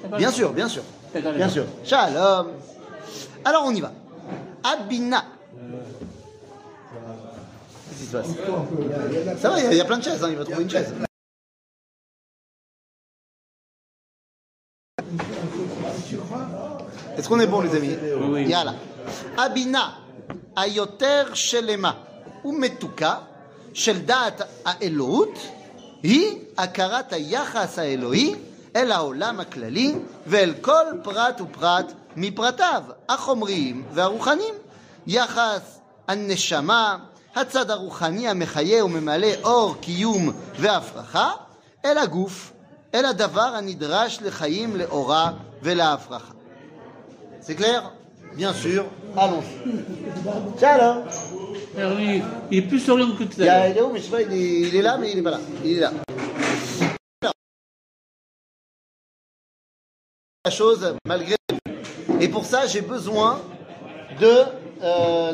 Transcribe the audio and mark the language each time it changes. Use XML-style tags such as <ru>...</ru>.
<fr>Bien sûr. Shalom. Alors on y va. Abina. Qu'est-ce qui se passe? Ça va, il y a plein de chaises, hein, il va trouver une chaise. Est-ce qu'on est bon, les amis? Oui. Yala. Abina.</fr> <he>היותר שלמה ומתוקה של דעת האלוהות היא הכרת היחס האלוהי אל העולם הכללי ואל כל פרט ופרט מפרטיו החומריים והרוחניים, יחס הנשמה, הצד הרוחני המחיה וממלא אור קיום והפרחה, אל הגוף, אל הדבר הנדרש לחיים לאורה ולהפרחה. זה קלר?</he> <fr>Bien sûr, allons-y. Shalom. Oui, il est plus souriant que tout à l'heure. Il est où, mais je sais pas, il est là, mais il n'est pas là. Il est là. La chose, malgré. Et pour ça, j'ai besoin de.</fr>